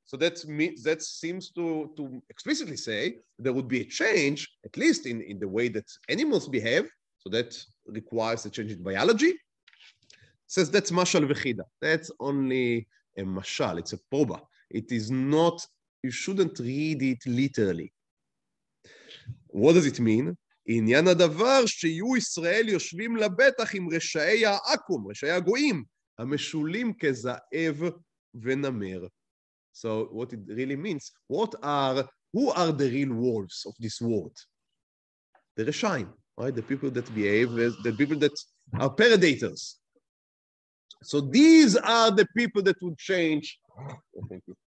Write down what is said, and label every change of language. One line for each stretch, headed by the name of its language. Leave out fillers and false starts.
English: So that seems to explicitly say there would be a change, at least in the way that animals behave. So that requires a change in biology. It says that's mashal v'chida. That's only a mashal, it's a proba. It is not, you shouldn't read it literally. What does it mean?
Hebrew: עניין הדבר שיהיו ישראל יושבים לבטח עם רשעי העקום, רשעי הגויים, המשולים כזאב ונמר.
English: So what it really means, who are the real wolves of this world? The reshaim, right? The people that behave, the people that are predators. So these are the people that would change. Thank you.